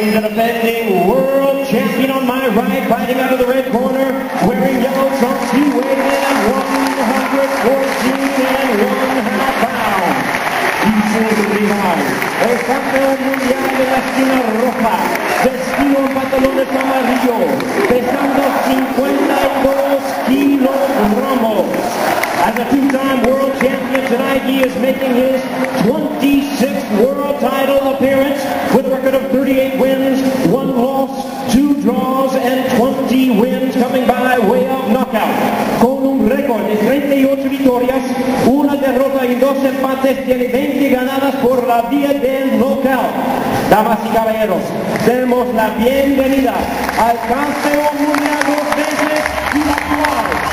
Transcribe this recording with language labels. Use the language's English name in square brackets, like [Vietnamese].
[English] Defending world champion on my right, fighting out of the red corner, wearing yellow trunks, he weighed in at 114 and 1/2 pounds. He chose to be high. [Spanish] El campeón mundial de la esquina roja, vestido en pantalones amarillos, pesando 52 kilogramos. [English] As a two-time world champion tonight, he is making his 26th world title appearance with a record of 38 wins, 1 loss, 2 draws, and 20 wins coming by way of knockout. [Spanish] Con un récord de 38 victorias, una derrota y dos empates, tiene 20 ganadas por la vía del knockout. Damas y caballeros, demos la bienvenida al campeón mundial dos veces y actual.